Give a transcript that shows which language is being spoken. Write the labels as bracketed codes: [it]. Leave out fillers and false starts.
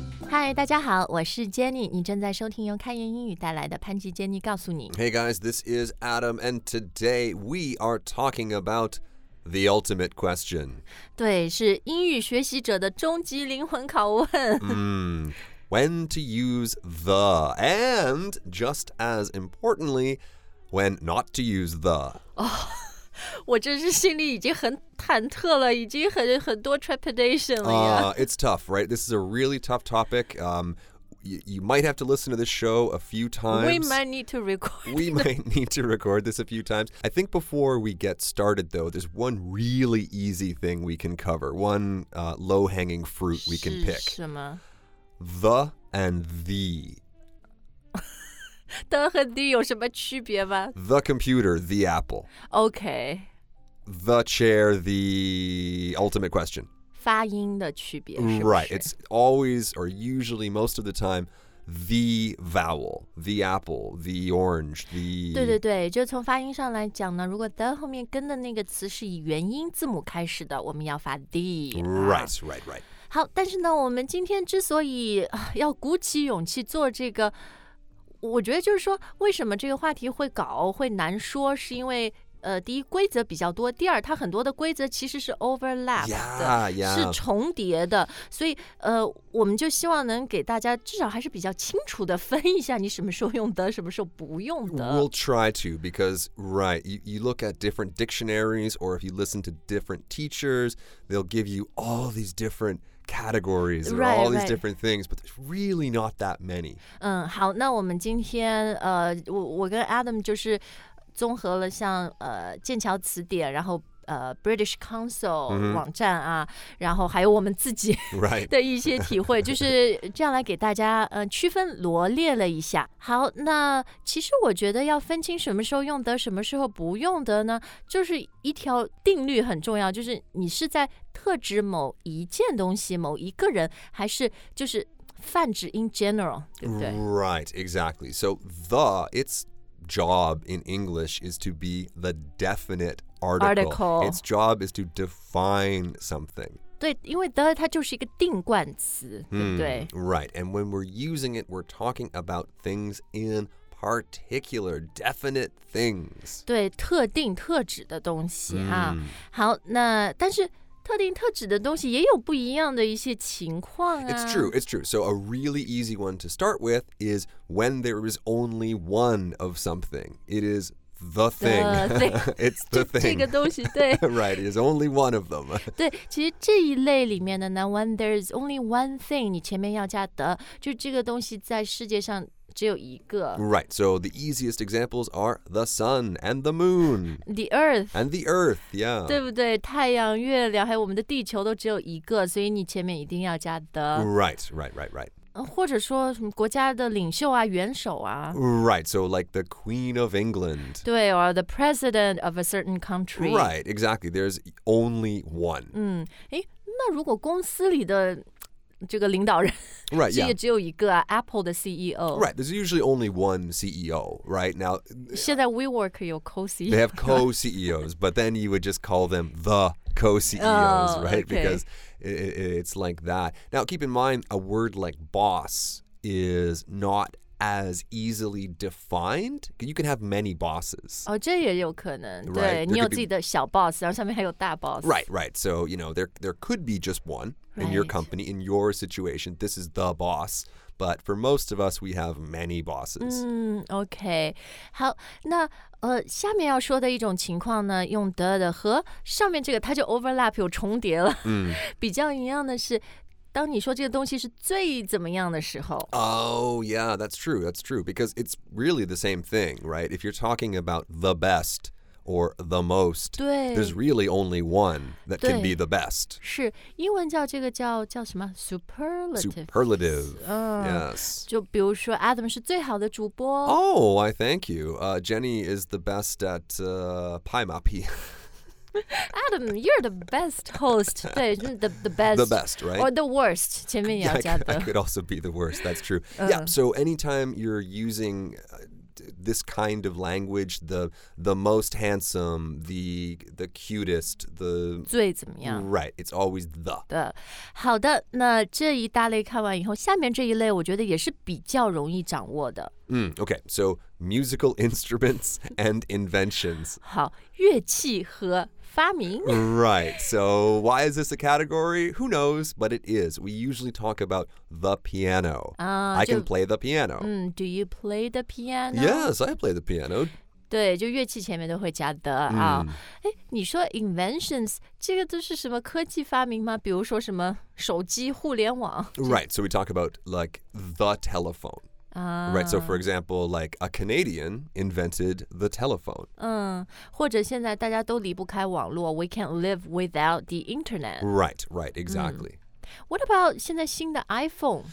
[zh] Hi, 大家好，我是 Jenny。你正在收听由开言英语带来的潘吉 Jenny 告诉你。 [en] Hey guys, this is Adam, and today we are talking about the ultimate question. [zh] 对，是英语学习者的终极灵魂拷问。 [en] When to use the, and just as importantly, when not to use the. Oh. [zh] 我真是心里已经很忐忑了，已经 很多 trepidation 了呀。 [en] It's tough, right? This is a really tough topic. You might have to listen to this show a few times. We might need to record this a few times. I think before we get started, though, there's one really easy thing we can cover. One low-hanging fruit we can pick. [zh] 是什么? [en] The and the. [zh] The 和 the 有什么区别吗? [en] The computer, the apple. Okay. The chair, the ultimate question. [zh] 发音的区别是不是?Right. [en] It's always, or usually most of the time, the vowel, the apple, the orange, the... [zh] 对对对,就从发音上来讲呢,如果 the 后面跟的那个词是以元音字母开始的,我们要发 the. [en] Right. [zh] 好,但是呢,我们今天之所以要鼓起勇气做这个我觉得就是说为什么这个话题会搞会难说是因为第一规则比较多第二它很多的规则其实是 overlap 的 [en] yeah. [zh] 是重叠的所以我们就希望能给大家至少还是比较清楚的分一下你什么时候用的什么时候不用的 [en] We'll try to because right you look at different dictionaries or if you listen to different teachers they'll give you all these differentcategories and right, all these different things, but there's really not that many. [zh] 好，那我们今天我跟 Adam 就是综合了像剑桥词典，然后British Council、mm-hmm. 网站啊，然后还有我们自己、 [en] right. [zh] 的一些体会，就是这样来给大家区分罗列了一下。好，那其实我觉得要分清什么时候用的，什么时候不用的呢？就是一条定律很重要，就是你是在特指某一件东西、某一个人，还是就是泛指 [en] in general， [zh] 对不对 [en] ？Right, exactly. So the its job in English is to be the definite. Article. Its job is to define something. [zh] 对，因为 the 它就是一个定冠词，对不对？ [en] Right, and when we're using it, we're talking about things in particular, definite things. [zh] 对，特定特指的东西啊。好，那但是特定特指的东西也有不一样的一些情况啊。 [en] It's true. So a really easy one to start with is when there is only one of something. It is. The thing. It's the thing. [zh] 这个东西对 [en] Right, it's only one of them. [zh] 对，其实这一类里面的呢 [en] when there's only one thing, [zh] 你前面要加的，就这个东西在世界上只有一个。 [en] Right, so the easiest examples are the sun and the moon. The earth. And the earth, yeah. [zh] 对不对？太阳、月亮，还有我们的地球都只有一个，所以你前面一定要加的。 [en] Right. [zh] 或者说什么国家的领袖啊，元首啊。 [en] Right, so like the Queen of England. 对 or the President of a certain country. Right, exactly. There's only one. [zh] 那如果公司里的这个领导人 [en] right, [zh] 其实也只有一个啊 Apple 的 CEO. [en] Right, there's usually only one CEO, right? Now, [zh] 现在 WeWork 有 co-CEO. [en] They have co-CEOs, but then you would just call them the co-CEOs, right? Okay. Because... It's like that. Now, keep in mind, a word like boss is not as easily defined. You can have many bosses. [zh] Oh, 这也有可能。对，你有自己的小 boss， 然后上面还有大 boss。 [en] Right. So, you know, there could be just one in your company, in your situation. This is the boss. But for most of us, we have many bosses. Okay. [zh] 好，那下面要说的一种情况呢，用 the 和上面这个它就 overlap 有重叠了。比较一样的是，当你说这个东西是最怎么样的时候。 [en] Oh, yeah, that's true. Because it's really the same thing, right? If you're talking about the best... or the most, there's really only one that can be the best. [zh] 是英文叫这个叫什么 superlative. [en] Superlative, yes. [zh] 就比如说 Adam 是最好的主播。 [en] Oh, I thank you. Jenny is the best at pie mappy. Adam, you're the best host. 对 the best. The best, right? Or the worst, [zh] 前面也要加的。 [en] I could also be the worst, that's true. Yeah, so anytime you're using... this kind of language, the most handsome, the cutest, the [zh] 最怎么样? [en] Right, it's always the. [zh] 对，好的，那这一大类看完以后，下面这一类我觉得也是比较容易掌握的。 [en] Okay, so musical instruments and inventions. [zh] 好，乐器和发明。 [en] Right, so why is this a category? Who knows, but it is. We usually talk about the piano. I can play the piano. Do you play the piano? Yes, I play the piano. [zh] 对，就乐器前面都会加的啊。你说 inventions 这个都是什么科技发明吗？比如说什么手机互联网？Right, [en] so we talk about like the telephone. Right, so for example, like a Canadian invented the telephone. [zh] 或者现在大家都离不开网络, [en] we can't live without the internet. Right, right, exactly. What about [zh] 现在新的 [en] iPhone?